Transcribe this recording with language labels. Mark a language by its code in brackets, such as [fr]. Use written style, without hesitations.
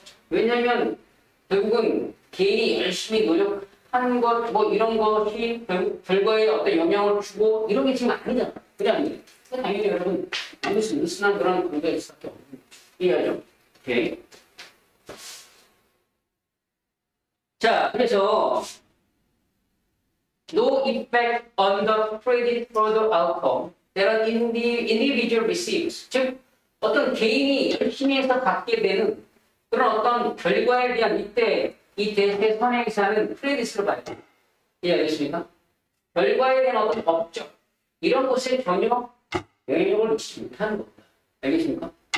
[ko] 왜냐면 결국은 개인이 열심히 노력한 것 뭐 이런 것이 결과에 어떤 영향을 주고 이런 게 지금 아니잖아. 그게 아니에요. 당연히 여러분 무슨 느슨한 그런 관계일 수밖에 없는 거죠. 이해하죠? 자, 그래서 [en] no impact on the predicted further outcome that an individual receives. [ko] 즉, 어떤 개인이 열심히 해서 갖게 되는 그런 어떤 결과에 대한 이때 이 대선에 의사는 크레딧을 받죠. 이해하겠습니까? 결과에 대한 어떤 법적 이런 것에 전혀 영향을 미치지 못하는 겁니다. 알겠습니까?